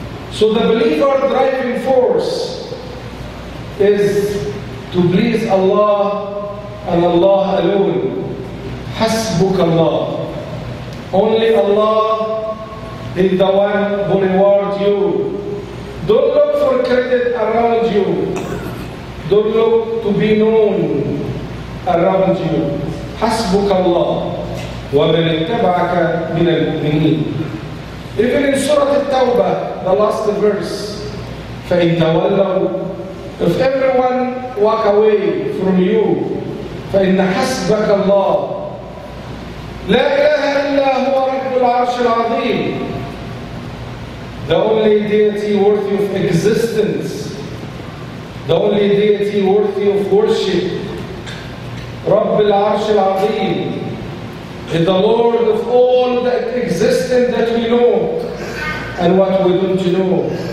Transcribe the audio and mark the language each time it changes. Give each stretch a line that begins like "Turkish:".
English: So the believer driving force is to please Allah and Allah alone. Hasbuk Allah. Only Allah He's the one who rewards you. Don't look for credit around you. Don't look to be known around you.
Arabic: حسبك الله ومن اتبعك من المؤمنين.
English: Even in Surah At-Tawbah, the last verse,
Arabic: فإن تولوا,
English: if everyone walk away from you,
Arabic: فإن حسبك الله. لا إله إلا هو رب العرش العظيم.
English: The only deity worthy of existence, the only deity worthy of worship,
Arabic: رب العرش العظيم,
English: is the Lord of all that exists and that we know and what we don't know.